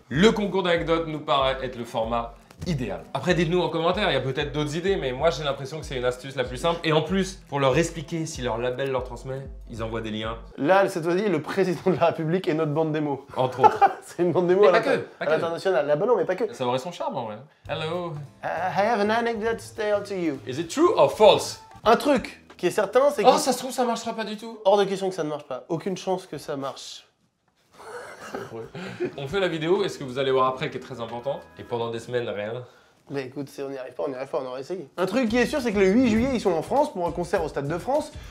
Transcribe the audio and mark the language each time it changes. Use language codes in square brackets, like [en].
[fr] Le concours d'anecdotes nous paraît être le format idéal. Après, dites-nous en commentaire, il y a peut-être d'autres idées, mais moi j'ai l'impression que c'est une astuce la plus simple. Et en plus, pour leur expliquer si leur label leur transmet, ils envoient des liens. Là, cette fois-ci, le président de la République est notre bande démo. Entre autres. C'est une bande démo à l'international. Là, bah non, mais pas que. Ça aurait son charme en vrai. Hello. [en] I have an anecdote to tell to you. Is it true or false? [fr] Un truc qui est certain, c'est que. Oh, ça se trouve, ça marchera pas du tout. Hors de question que ça ne marche pas. Aucune chance que ça marche. On fait la vidéo, est-ce que vous allez voir après qui est très important? Et pendant des semaines, rien. Mais écoute, si on n'y arrive pas, on n'y arrive pas, on aurait essayé. Un truc qui est sûr, c'est que le 8 juillet, ils sont en France pour un concert au Stade de France.